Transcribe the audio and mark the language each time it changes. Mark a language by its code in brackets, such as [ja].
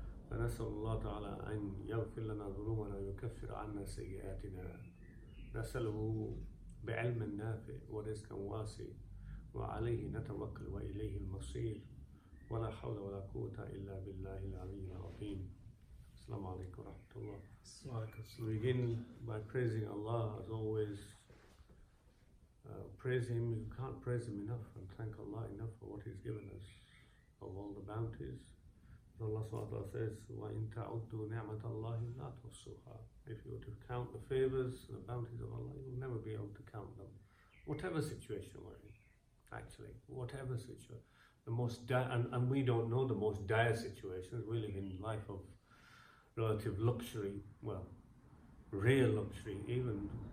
[ar] فنسأل الله تعالى أن يغفر لنا ذنوبنا ويكفر عنا سيئاتنا نسأله بعلم نافع ورزق واسع وعليه نتوكل وإليه المصير ولا حول ولا قوة إلا بالله العلي العظيم السلام عليكم ورحمة الله السلام عليكم. [en] Begin by praising Allah as always. Praise Him. You can't praise Him enough and thank Allah enough for what He's given us of all the bounties. Allah says, وَإِنْ تَعُدُّوا نِعْمَةَ اللَّهِ لَا تُحْصُوهَا. If you were to count the favors and the bounties of Allah, you will never be able to count them. Whatever situation we're in, actually, whatever situation. The most and we don't know the most dire situations. We live in life of relative luxury, well, real luxury even.